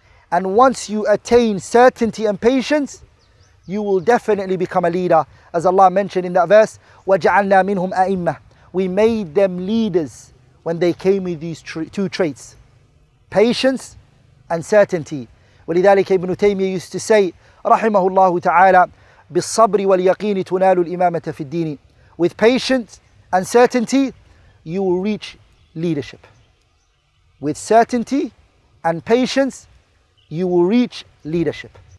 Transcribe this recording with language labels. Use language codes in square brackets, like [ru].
[en] And once you attain certainty and patience, you will definitely become a leader. As Allah mentioned in that verse, [ar] وَجَعَلْنَا مِنْهُمْ أَئِمَّةً. [en] We made them leaders when they came with these two traits, patience and certainty. [ar] ولذلك ابن تيمية [en] used to say, [ar] رحمه الله تعالى, بالصبر واليقين تنال الإمامة في الدين. [en] With patience and certainty, you will reach leadership. With certainty and patience, you will reach leadership.